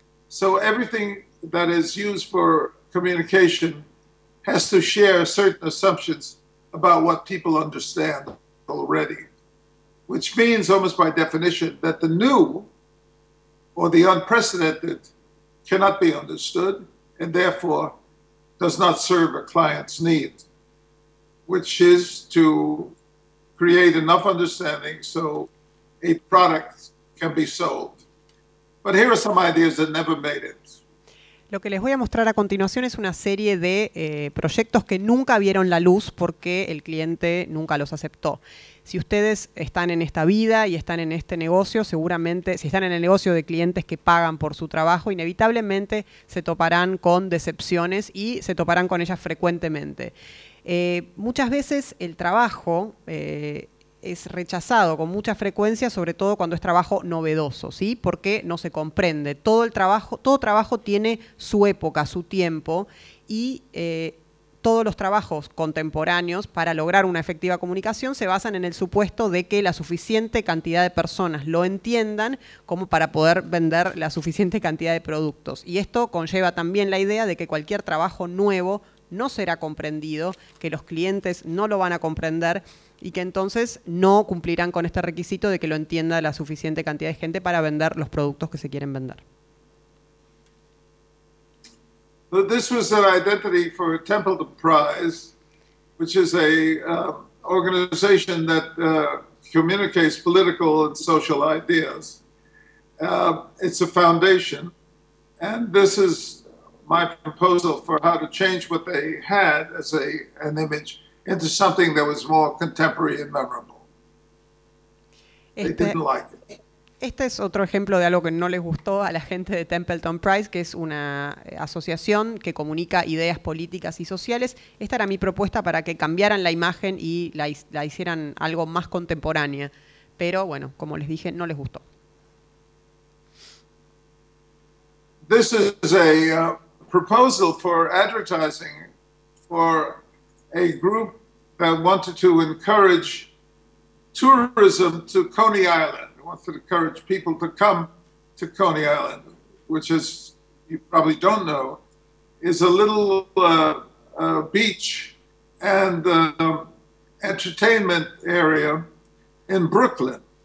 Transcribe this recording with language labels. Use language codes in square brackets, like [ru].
[en] So everything that is used for communication has to share certain assumptions about what people understand already, which means almost by definition that the new or the unprecedented cannot be understood and therefore does not serve a client's need, which is to create enough understanding so a product can be sold. But here are some ideas that never made it. [es] Lo que les voy a mostrar a continuación es una serie de proyectos que nunca vieron la luz porque el cliente nunca los aceptó. Si ustedes están en esta vida y están en este negocio, seguramente, si están en el negocio de clientes que pagan por su trabajo, inevitablemente se toparán con decepciones y se toparán con ellas frecuentemente. Muchas veces el trabajo es rechazado con mucha frecuencia, sobre todo cuando es trabajo novedoso, ¿sí? Porque no se comprende. Todo trabajo tiene su época, su tiempo, y todos los trabajos contemporáneos para lograr una efectiva comunicación se basan en el supuesto de que la suficiente cantidad de personas lo entiendan como para poder vender la suficiente cantidad de productos. Y esto conlleva también la idea de que cualquier trabajo nuevo no será comprendido, que los clientes no lo van a comprender y que entonces no cumplirán con este requisito de que lo entienda la suficiente cantidad de gente para vender los productos que se quieren vender. [en] This was an identity for Templeton Prize, which is a organization that communicates political and social ideas. It's a foundation, and this is my proposal for how to change what they had as an image into something that was more contemporary and memorable. They didn't like it. [es] Este es otro ejemplo de algo que no les gustó a la gente de Templeton Prize, que es una asociación que comunica ideas políticas y sociales. Esta era mi propuesta para que cambiaran la imagen y la hicieran algo más contemporánea. Pero, bueno, como les dije, no les gustó. [en] This is a proposal for advertising for a group that wanted to encourage tourism to Coney Island. Wants to encourage people to come to Coney Island, which, as you probably don't know, is a little beach and entertainment area in Brooklyn.